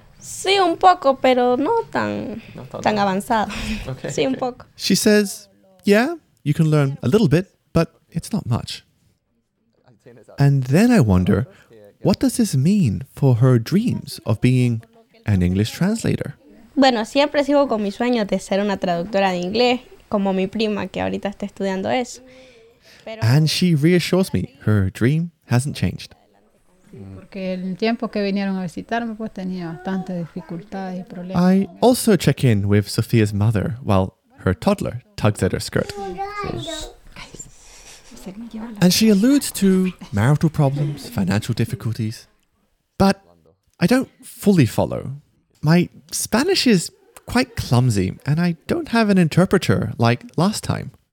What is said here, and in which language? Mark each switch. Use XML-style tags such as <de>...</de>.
<es>Sí, un poco, pero no tan avanzado.</es> <en>Okay.</en> <es>Sí, un poco.</es> <en>She says, yeah, you can learn a little bit, but it's not much. And then I wonder, what does this mean for her dreams of being an English translator?</en> <es>Bueno, siempre sigo con mi sueño de ser una traductora de inglés, como mi prima que ahorita está estudiando eso.</es> <en>And she reassures me her dream hasn't changed.</en> <es>Porque el tiempo que vinieron a visitarme pues tenía bastantes dificultades y problemas.</es> <en>I also check in with Sofía's mother while her toddler tugs at her skirt. And she alludes to marital problems, financial difficulties. But I don't fully follow. My Spanish is quite clumsy, and I don't have an interpreter like last time.</en>